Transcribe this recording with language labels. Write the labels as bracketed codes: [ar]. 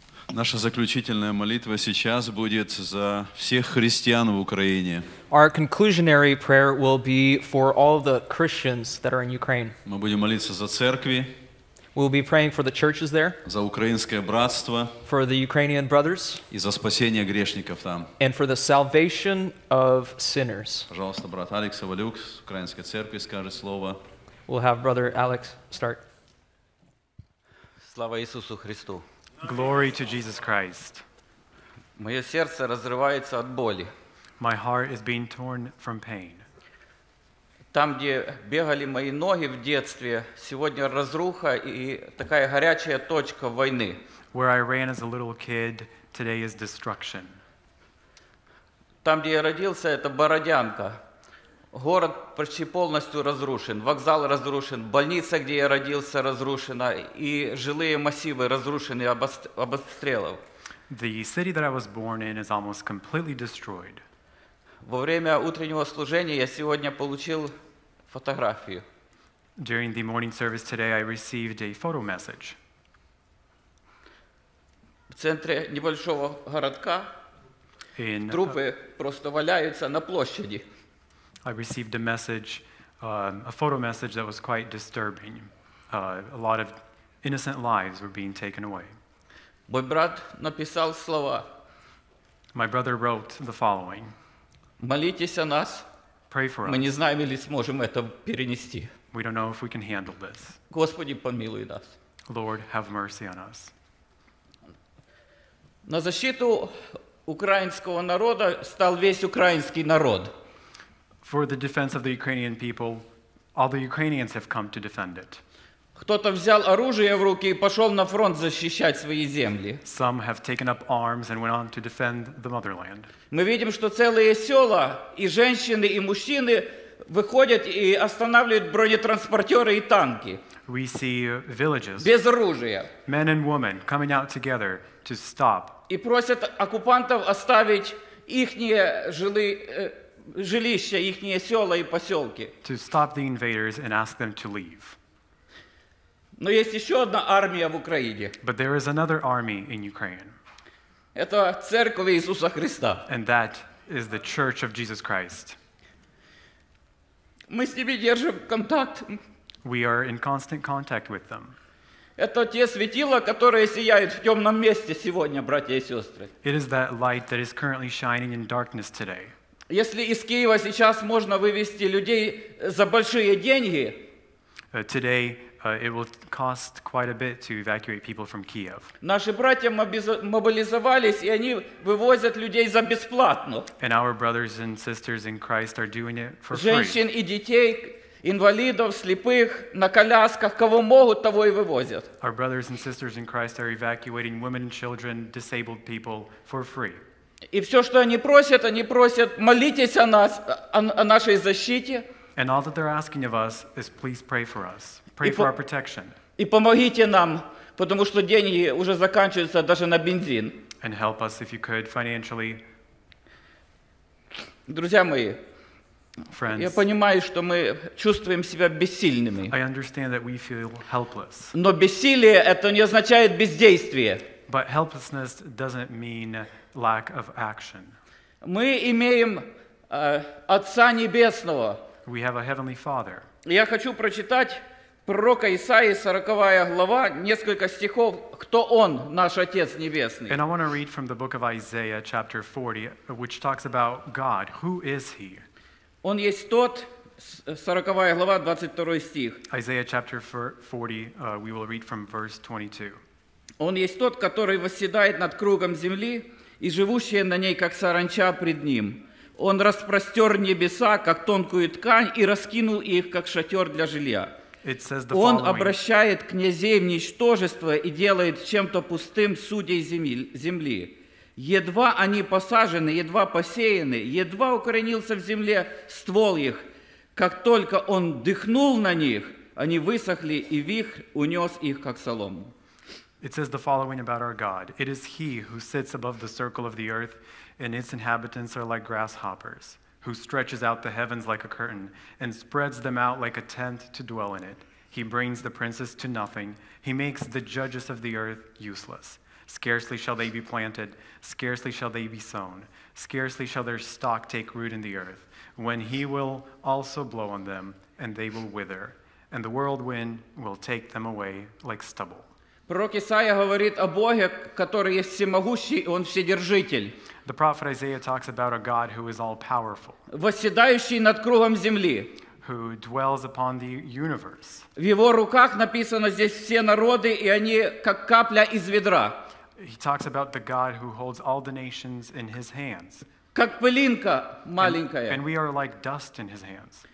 [ru] Наша заключительная молитва сейчас будет за всех христиан в Украине. [en] Our conclusionary prayer will be for all the Christians that are in Ukraine. [ru] Мы будем молиться за церкви. [en] We'll be praying for the churches there. [ru] За украинское братство. [en] For the Ukrainian brothers. [ru] И за спасение грешников там. [en] And for the salvation of sinners. [ru] Пожалуйста, брат Алекс Валюк с украинской церкви скажет слово. [en] We'll have brother Alex start. [ru] Слава Иисусу Христу. [en] Glory to Jesus Christ. [ru] Моё сердце разрывается от боли. [en] My heart is being torn from pain. [ru] Там, где бегали мои ноги в детстве, сегодня разруха и такая горячая точка войны. [en] Where I ran as a little kid, today is destruction. [ru] Там, где я родился, это Бородянка. Город почти полностью разрушен, вокзал разрушен, больница, где я родился, разрушена, и жилые массивы разрушены от обстрелов. [en] The city that I was born in is almost completely destroyed. [ru] Во время утреннего служения я сегодня получил фотографию. [en] During the morning service today, I received a photo message. [ru] В центре небольшого городка трупы просто валяются на площади. [en] I received a message, a photo message that was quite disturbing. A lot of innocent lives were being taken away. [ru] Мой брат написал слова. [en] My brother wrote the following. [ru] Молитесь о нас. [en] Pray for [ru] мы [en] us. [ru] Мы не знаем, или сможем это перенести. [en] We don't know if we can handle this. [ru] Господи, помилуй нас. [en] Lord, have mercy on us. [ru] На защиту украинского народа стал весь украинский народ. [en] For the defense of the Ukrainian people, all the Ukrainians have come to defend it. [ru] Кто-то взял оружие в руки и пошел на фронт защищать свои земли. [en] Some have taken up arms and went on to defend the motherland. [ru] Мы видим, что целые села и женщины и мужчины выходят и останавливают бронетранспортеры и танки. [en] We see villages. [ru] Без оружия. [en] Men and women coming out together to stop. [ru] И просят оккупантов оставить ихние жилища, ихние села и поселки. [en] To stop the invaders and ask them to leave. [ru] Но есть еще одна армия в Украине. [en] But there is another army in Ukraine. [ru] Это Церковь Иисуса Христа. [en] And that is the Church of Jesus Christ. [ru] Мы с ними держим контакт. [en] We are in constant contact with them. [ru] Это те светила, которые сияют в темном месте сегодня, братья и сестры. [en] It is that light that is currently shining in darkness today. [ru] Если из Киева сейчас можно вывести людей за большие деньги, [en] today, it will cost quite a bit to evacuate people from Kiev. [ru] Наши братья мобилизовались, и они вывозят людей за бесплатно. [en] And our brothers and sisters in Christ are doing it for free. [ru] Женщин и детей, инвалидов, слепых, на колясках, кого могут, того и вывозят. [en] Our brothers and sisters in Christ are evacuating women and children, disabled people for free. [ru] И все, что они просят, молитесь о нас, о нашей защите. [en] And all that they're asking of us is please pray for us. Pray for our protection. [ru] И помогите нам, потому что деньги уже заканчиваются даже на бензин. [en] And help us if you could financially. [ru] Друзья мои, [en] friends, [ru] я понимаю, что мы чувствуем себя бессильными. [en] I understand that we feel helpless. [ru] Но бессилие – это не означает бездействие. [en] But helplessness doesn't mean lack of action. [ru] Мы имеем Отца Небесного. [en] We have a Heavenly Father. [ru] Я хочу прочитать пророка Исаии, 40 глава, несколько стихов, кто Он, наш Отец Небесный. [en] And I want to read from the book of Isaiah, chapter 40, which talks about God. Who is He? [ru] Он есть тот, 40 глава, 22 стих. [en] Isaiah, chapter 40, we will read from verse 22. [ru] Он есть тот, который восседает над кругом земли, и живущие на ней, как саранча пред Ним. Он распростер небеса, как тонкую ткань, и раскинул их, как шатер для жилья. [en] It says the following. [ru] Он обращает князей в ничтожество и делает чем-то пустым судей земли. Едва они посажены, едва посеяны, едва укоренился в земле ствол их. Как только он дыхнул на них, они высохли, и вихрь унес их, как солому. [en] It says the following about our God. It is He who sits above the circle of the earth, and its inhabitants are like grasshoppers, who stretches out the heavens like a curtain and spreads them out like a tent to dwell in it. He brings the princes to nothing. He makes the judges of the earth useless. Scarcely shall they be planted, scarcely shall they be sown, scarcely shall their stock take root in the earth, when he will also blow on them, and they will wither, and the whirlwind will take them away like stubble. [uk] Пророк Ісая говорить о Богу, который є всемогущий, і він вседержитель. [en] The prophet Isaiah talks about a God who is all-powerful. [ru] Восседающий над кругом землі. [en] Who dwells upon the universe. [uk] В його руках написано здесь все народи, і вони як капля із відра. [en] He talks about the God who holds all the nations in his hands. [uk] Як пылинка маленька. [en] And we are like dust in his hands.